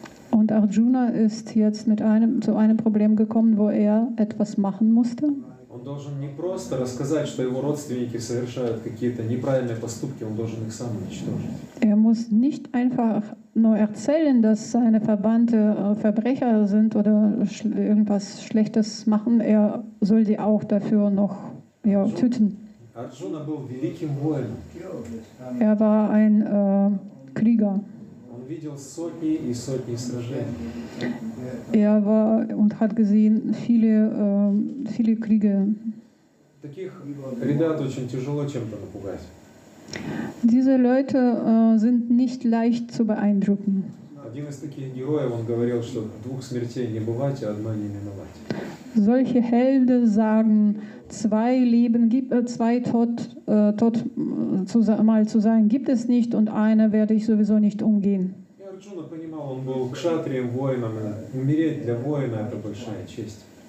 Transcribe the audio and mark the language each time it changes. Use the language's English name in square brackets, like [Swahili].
[German] Und Arjuna ist jetzt zu einem Problem gekommen, wo er etwas machen musste. [Russian] Он должен не просто рассказать, что его родственники совершают какие-то неправильные поступки, он должен их сам уничтожить. [German] Er muss nicht einfach nur erzählen, dass seine Verwandte Verbrecher sind oder irgendwas Schlechtes machen. Er soll sie auch dafür noch töten. [Russian] Арджуна был великим воином. [German] Er war ein Krieger. [Russian] Он видел сотни и сотни сражений. [German] Er war und hat gesehen viele, viele Kriege. [Russian] Таких ребят очень тяжело чем-то напугать. [German] Diese Leute sind nicht leicht zu beeindrucken. [Russian] Один из таких героев, он говорил, что двух смертей не бывать, а одна не миновать. [German] Solche Helden sagen, zwei Leben gibt, zwei Tod mal zu sein gibt es nicht und eine werde ich sowieso nicht umgehen. [Russian] Ja, Arjuna понимал, он был кшатрием, воином. Умереть для воина — это большая честь.